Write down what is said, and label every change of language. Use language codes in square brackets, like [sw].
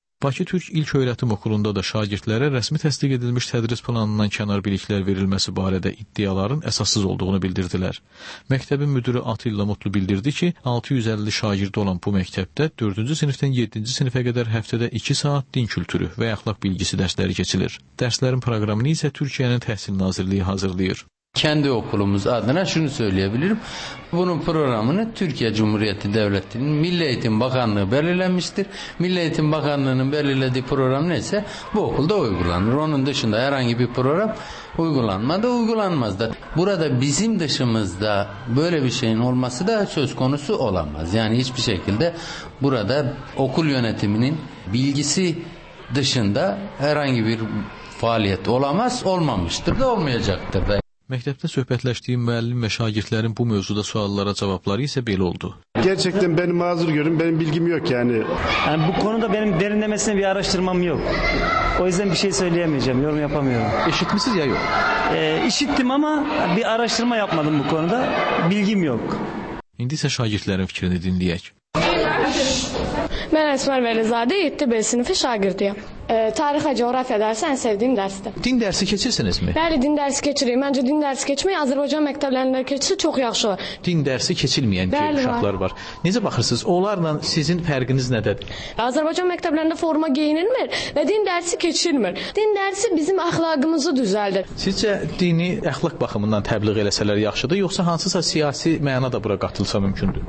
[az] Bakı Türk İlk Öyrətim Okulunda da şagirdlərə rəsmi təsdiq edilmiş tədris planından kənar biliklər verilməsi barədə iddiaların əsassız olduğunu bildirdilər. Məktəbin müdürü Atilla Mutlu bildirdi ki, 650 şagirdi olan bu məktəbdə 4-cü sinifdən 7-ci sinifə qədər həftədə 2 saat din kültürü və əxlaq bilgisi dərsləri keçilir. Dərslərin proqramını isə Türkiyənin Təhsil Nazirliyi hazırlayır. [tr] Kendi okulumuz adına şunu söyleyebilirim. Bunun programını Türkiye Cumhuriyeti Devleti'nin Milli Eğitim Bakanlığı belirlemiştir. Milli Eğitim Bakanlığı'nın belirlediği program neyse bu okulda uygulanır. Onun dışında herhangi bir program uygulanmadı, uygulanmaz da. Burada bizim dışımızda böyle bir şeyin olması da söz konusu olamaz. Yani hiçbir şekilde burada okul yönetiminin bilgisi dışında herhangi bir faaliyet olamaz, olmamıştır da olmayacaktır da. [az] Məktəbdə söhbətləşdiyim müəllim və şagirdlərin bu mövzuda suallara cavabları isə belə oldu. [tr] Gerçekten beni mazur görün, benim bilgim yok yani. Yani bu konuda benim derinlemesine bir araştırmam yok. O yüzden bir şey söyleyemeyeceğim, yorum yapamıyorum. İşitmişsiniz ya yok? İşittim ama bir araştırma yapmadım bu konuda, bilgim yok. [az] İndi isə şagirdlərin fikrini dinləyək. [tr] Ben Esmer Velizade, 7B sınıfı şagirdiyim. Tarih ve coğrafya dersi en sevdiğim dersdir. [az] Din dersi keçirsiniz mi? Bəli, din dersi keçiriyim. [tr] Bence din dersi keçmeyi Azerbaycan mektəblərində keçirse çok yaxşı olur. [az] Din dersi keçilmeyen bəli, uşaqlar var. Necə baxırsınız? Onlarla sizin fərqiniz nədədir? [tr] Azerbaycan mektəblərində forma giyinilmir ve din dersi keçirilmir. [az] Din dersi bizim əxlaqımızı düzəldir. Sizcə dini əxlaq baxımından təbliğ eləsələr yaxşıdır, yoxsa hansısa siyasi məna da bura qatılsa mümkündür?